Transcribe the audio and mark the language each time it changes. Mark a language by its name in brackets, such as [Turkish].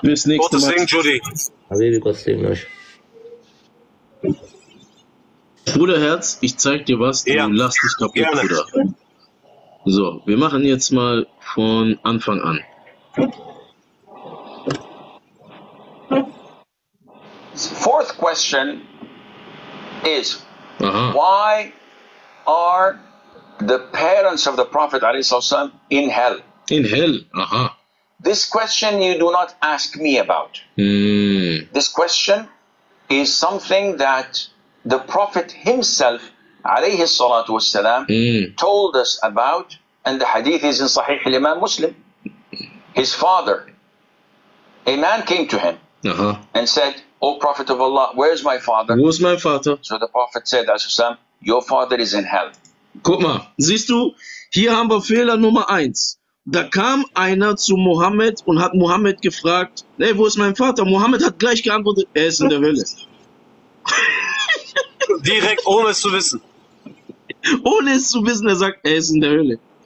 [German] Bis nächstes Mal. Gott segne Judy. Habibi, Gott segne euch. Bruder Herz, ich zeig dir was. Ja. Dann lass dich kaputt, gerne. Bruder. So, wir machen jetzt mal von Anfang an. [English] Fourth question is, why are the parents of the Prophet in hell? In hell, uh-huh. This question you do not ask me about. This question is something that the Prophet himself [Arabic] والسلام, [English] told us about, and the hadith is in Sahih al-Imam Muslim. His father, a man came to him and said, O Prophet of Allah, where is my father? Who is my father? So the Prophet said, Asusam, your father is in hell. [German] Guck mal, siehst du, hier haben wir Fehler Nummer 1. Da kam einer zu Mohammed und hat Mohammed gefragt, hey, wo ist mein Vater? Mohammed hat gleich geantwortet, er ist in der Hölle. Direkt, ohne es zu wissen. Ohne es zu wissen, er sagt, er ist in der Hölle.